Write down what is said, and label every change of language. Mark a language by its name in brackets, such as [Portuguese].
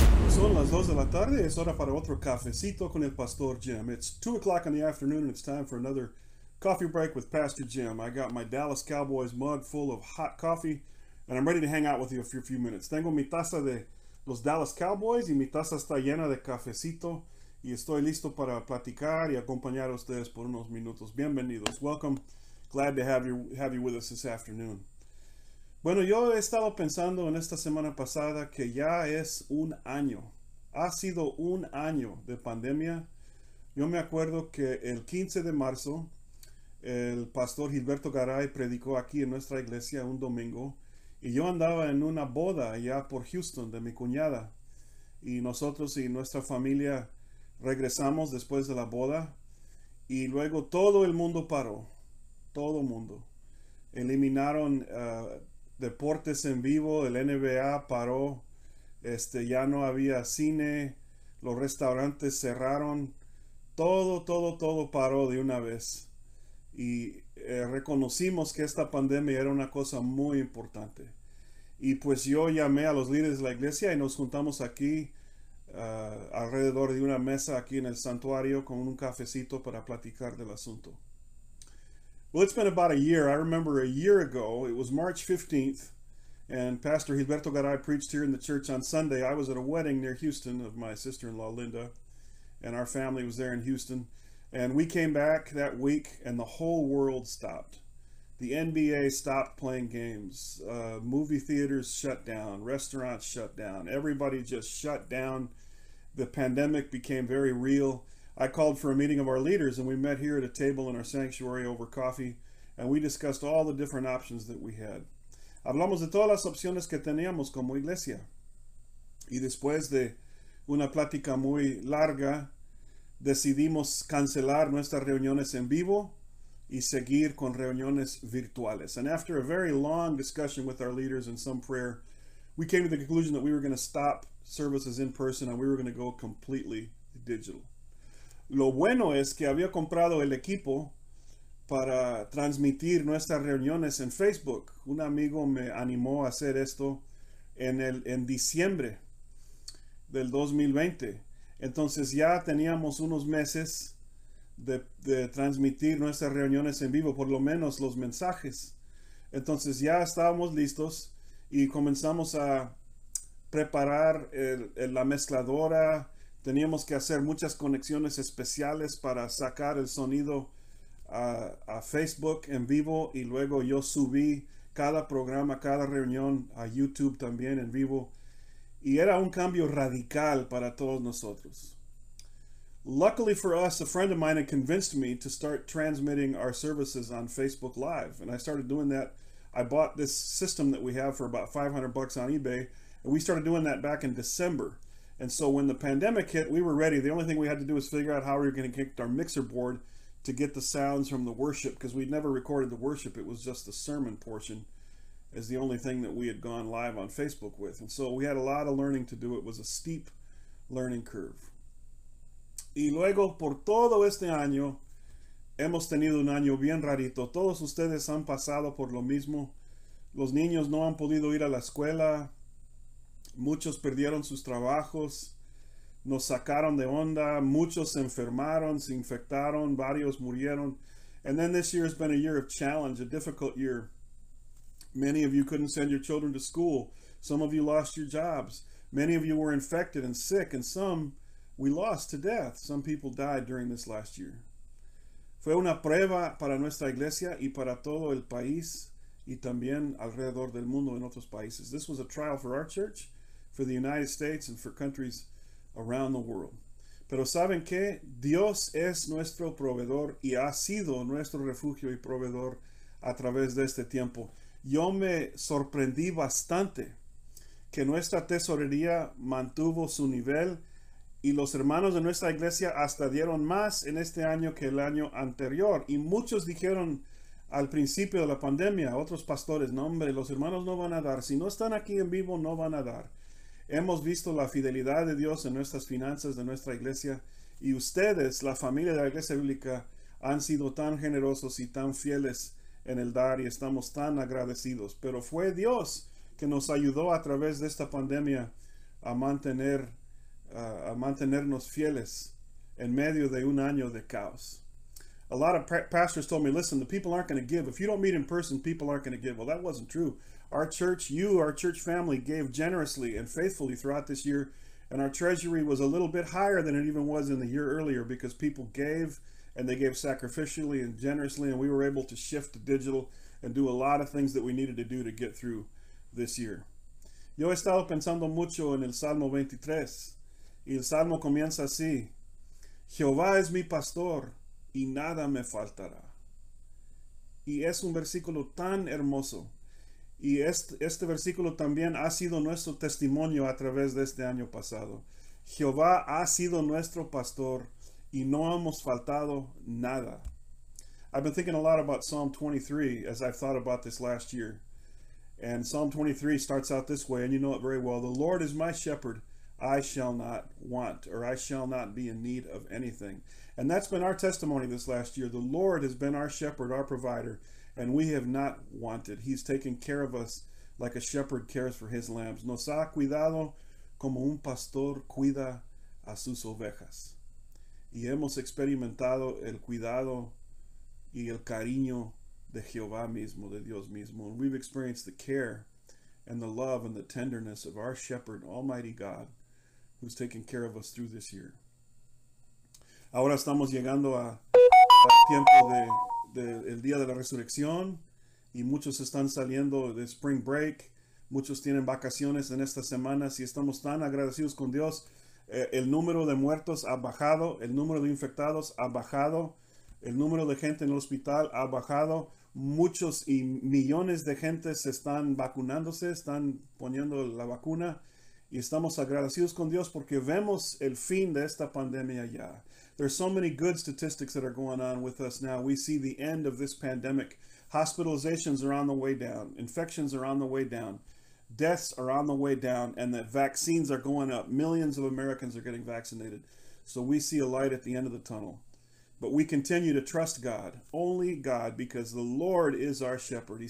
[Spanish] Son las 2 de la tarde, es hora para otro cafecito con el Pastor Jim. [English] It's 2 o'clock in the afternoon and it's time for another coffee break with Pastor Jim. I got my Dallas Cowboys mug full of hot coffee and I'm ready to hang out with you for a few minutes. [Spanish] Tengo mi taza de los Dallas Cowboys y mi taza está llena de cafecito y estoy listo para platicar y acompañar a ustedes por unos minutos. Bienvenidos, [English] welcome. Glad to have you with us this afternoon. [Spanish] Bueno, yo he estado pensando en esta semana pasada que ya es un año. Ha sido un año de pandemia. Yo me acuerdo que el 15 de marzo, el pastor Gilberto Garay predicó aquí en nuestra iglesia un domingo. Y yo andaba en una boda allá por Houston de mi cuñada. Y nosotros y nuestra familia regresamos después de la boda. Y luego todo el mundo paró. Todo mundo. Eliminaron deportes en vivo, el NBA paró, ya no había cine, los restaurantes cerraron, todo paró de una vez. Y reconocimos que esta pandemia era una cosa muy importante. Y pues yo llamé a los líderes de la iglesia y nos juntamos aquí alrededor de una mesa aquí en el santuario con un cafecito para platicar del asunto. [English] Well, it's been about a year. I remember a year ago, it was March 15th, and Pastor Gilberto Garay preached here in the church on Sunday. I was at a wedding near Houston of my sister-in-law, Linda, and our family was there in Houston. And we came back that week, and the whole world stopped. The NBA stopped playing games. Movie theaters shut down. Restaurants shut down. Everybody just shut down. The pandemic became very real. I called for a meeting of our leaders and we met here at a table in our sanctuary over coffee and we discussed all the different options that we had. [Spanish] Hablamos de todas las opciones que teníamos como iglesia. Y después de una plática muy larga, decidimos cancelar nuestras reuniones en vivo y seguir con reuniones virtuales. [English] And after a very long discussion with our leaders and some prayer, we came to the conclusion that we were going to stop services in person and we were going to go completely digital. [Spanish] Lo bueno es que había comprado el equipo para transmitir nuestras reuniones en Facebook. Un amigo me animó a hacer esto en diciembre del 2020. Entonces ya teníamos unos meses de transmitir nuestras reuniones en vivo, por lo menos los mensajes. Entonces ya estábamos listos y comenzamos a preparar la mezcladora. Teníamos que hacer muchas conexiones especiales para sacar el sonido a Facebook en vivo y luego yo subí cada programa, cada reunión a YouTube también en vivo y era un cambio radical para todos nosotros. [English] Luckily for us, a friend of mine had convinced me to start transmitting our services on Facebook Live and I started doing that. I bought this system that we have for about $500 on eBay and we started doing that back in December. And so when the pandemic hit, we were ready. The only thing we had to do was figure out how we were going to connect our mixer board to get the sounds from the worship, because we'd never recorded the worship. It was just the sermon portion is the only thing that we had gone live on Facebook with. And so we had a lot of learning to do. It was a steep learning curve. [Spanish] Y luego, por todo este año, hemos tenido un año bien rarito. Todos ustedes han pasado por lo mismo. Los niños no han podido ir a la escuela. Muchos perdieron sus trabajos, nos sacaron de onda, muchos se enfermaron, se infectaron, varios murieron. [English] And then this year has been a year of challenge, a difficult year. Many of you couldn't send your children to school. Some of you lost your jobs. Many of you were infected and sick, and some we lost to death. Some people died during this last year. [Spanish] Fue una prueba para nuestra iglesia y para todo el país y también alrededor del mundo en otros países. [English] This was a trial for our church, for the United States and for countries around the world. [Spanish] Pero saben que Dios es nuestro proveedor y ha sido nuestro refugio y proveedor a través de este tiempo. Yo me sorprendí bastante que nuestra tesorería mantuvo su nivel y los hermanos de nuestra iglesia hasta dieron más en este año que el año anterior. Y muchos dijeron al principio de la pandemia, otros pastores, no hombre, los hermanos no van a dar. Si no están aquí en vivo, no van a dar. Hemos visto la fidelidad de Dios en nuestras finanzas de nuestra iglesia y ustedes, la familia de la iglesia bíblica, han sido tan generosos y tan fieles en el dar y estamos tan agradecidos. Pero fue Dios que nos ayudó a través de esta pandemia a mantener a mantenernos fieles en medio de un año de caos. [English] A lot of pastors told me, listen, the people aren't going to give. If you don't meet in person, people aren't going to give. Well, that wasn't true. Our church family gave generously and faithfully throughout this year. And our treasury was a little bit higher than it even was in the year earlier because people gave, and they gave sacrificially and generously, and we were able to shift to digital and do a lot of things that we needed to do to get through this year. [Spanish] Yo he estado pensando mucho en el Salmo 23. Y el Salmo comienza así. Jehová es mi pastor y nada me faltará. Y es un versículo tan hermoso. Y este versículo también ha sido nuestro testimonio a través de este año pasado. Jehová ha sido nuestro pastor y no hemos faltado nada. [English] I've been thinking a lot about Psalm 23 as I've thought about this last year. And Psalm 23 starts out this way, and you know it very well. The Lord is my shepherd. I shall not want, or I shall not be in need of anything. And that's been our testimony this last year. The Lord has been our shepherd, our provider, and we have not wanted. He's taken care of us like a shepherd cares for his lambs. [Spanish] Nos ha cuidado como un pastor cuida a sus ovejas. Y hemos experimentado el cuidado y el cariño de Jehová mismo, de Dios mismo. [English] And we've experienced the care and the love and the tenderness of our shepherd, Almighty God, who's taken care of us through this year. [Spanish] Ahora estamos llegando al tiempo de el Día de la Resurrección, y muchos están saliendo de Spring Break, muchos tienen vacaciones en estas semanas, y estamos tan agradecidos con Dios. El número de muertos ha bajado, el número de infectados ha bajado, el número de gente en el hospital ha bajado. Muchos y millones de gente se están vacunándose, están poniendo la vacuna, y estamos agradecidos con Dios porque vemos el fin de esta pandemia ya. [English] There's so many good statistics that are going on with us now. We see the end of this pandemic. Hospitalizations are on the way down. Infections are on the way down. Deaths are on the way down, and the vaccines are going up. Millions of Americans are getting vaccinated. So we see a light at the end of the tunnel. But we continue to trust God, only God, because the Lord is our shepherd.